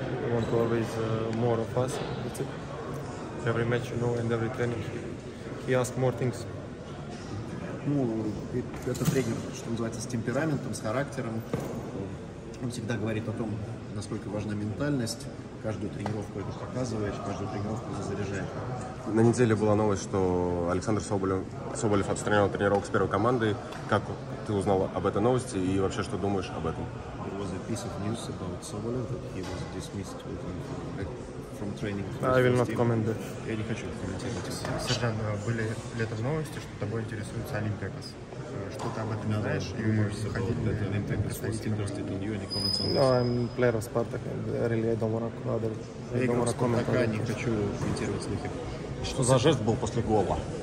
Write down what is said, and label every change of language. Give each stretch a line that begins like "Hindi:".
English: He want to always more of us. That's it. Every match, you know, and every training. He asked more things.
Russian: Ну, это тренер, что называется, с темпераментом, с характером. Он всегда говорит о том, насколько важна ментальность. Каждую тренировку это показывает, каждую тренировку заряжает. На неделе была новость, что Александр Соболев отстранял тренировок с первой командой. Как ты узнал об этой новости и вообще что думаешь об этом?
English: There was a piece of news about Sobolev, that he was dismissed with him. I will not comment that.
Russian: Я не хочу комментировать. Сержан, были летом новости, что тобой интересуется Олимпиакос. Что ты об этом знаешь?
English: You were supposed that Olympiacos was interested in you. Any comments on this? No, I'm player of Spartak. Really, I don't want to comment.
Russian: Я не хочу комментировать. Что за жест был после гола?